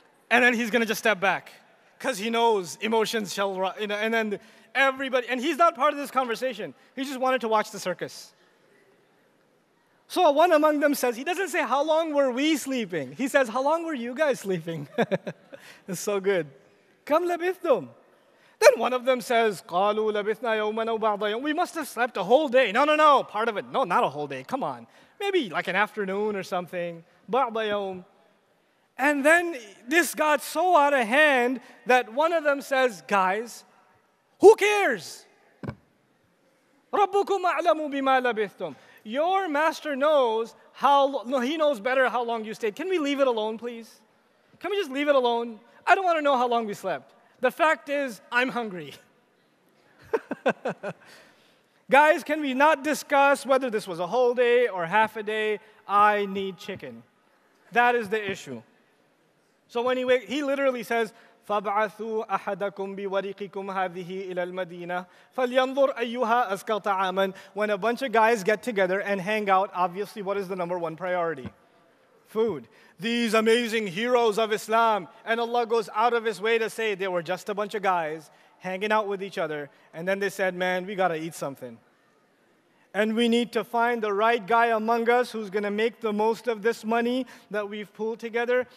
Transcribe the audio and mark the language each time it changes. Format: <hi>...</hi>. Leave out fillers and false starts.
<en>And then he's going to just step back, because he knows emotions shall, you know, and then everybody, and he's not part of this conversation. He just wanted to watch the circus. So one among them says, he doesn't say, how long were we sleeping? He says, how long were you guys sleeping? It's so good.</en> <ar>Kam labithum.</ar> <en>Then one of them says,</en> <ar>قَالُوا لَبِثْنَا يَوْمًا أَوْ بَعْضَ يَوْمٍ.</ar> <en>We must have slept a whole day. No, no, no, part of it. No, not a whole day. Come on. Maybe like an afternoon or something.</en> <ar>بَعْضَ يَوْمٍ.</ar> <en>And then this got so out of hand that one of them says, guys, who cares?</en> <ar>رَبُّكُمْ أَعْلَمُ بِمَا لَبِثْتُمْ.</ar> <en>Your master knows how, no, he knows better how long you stayed. Can we leave it alone, please? Can we just leave it alone? I don't want to know how long we slept. The fact is, I'm hungry. Guys, can we not discuss whether this was a whole day or half a day? I need chicken. That is the issue. So when he literally says,</en> <ar>فَبْعَثُوا أَحَدَكُمْ بِوَرِقِكُمْ هَذِهِ إِلَى الْمَدِينَةِ فَلْيَنْظُرْ أَيُّهَا أَزْكَى طَعَامًا.</ar> <en>When a bunch of guys get together and hang out, obviously, what is the number one priority? Food. These amazing heroes of Islam. And Allah goes out of His way to say they were just a bunch of guys hanging out with each other. And then they said, man, we gotta eat something. And we need to find the right guy among us who's gonna make the most of this money that we've pulled together.</en>